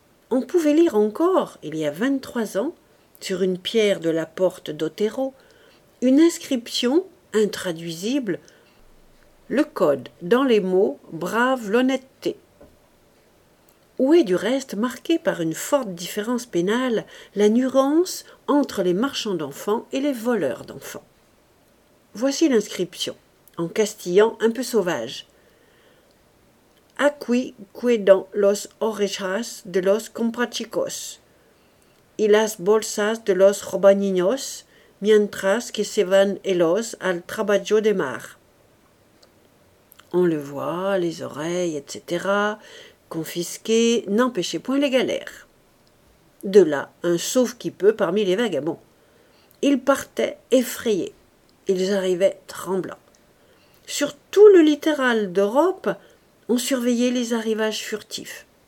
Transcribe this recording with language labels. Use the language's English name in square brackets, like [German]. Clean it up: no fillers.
[French] On pouvait lire encore, il y a 23 ans, sur une pierre de la porte d'Otero, une inscription intraduisible: le code dans les mots brave l'honnêteté. Où est du reste marquée par une forte différence pénale la nuance entre les marchands d'enfants et les voleurs d'enfants. Voici l'inscription, en castillan un peu sauvage: [Spanish] Aqui quedan los orejas de los comprachicos y las bolsas de los robaninos mientras que se van ellos al trabajo de mar. [French] On le voit, les oreilles, etc., confisquées, n'empêchaient point les galères. De là, un sauve-qui-peut parmi les vagabonds. Ils partaient effrayés. Ils arrivaient tremblants. Sur tout le littoral d'Europe, on surveillait les arrivages furtifs.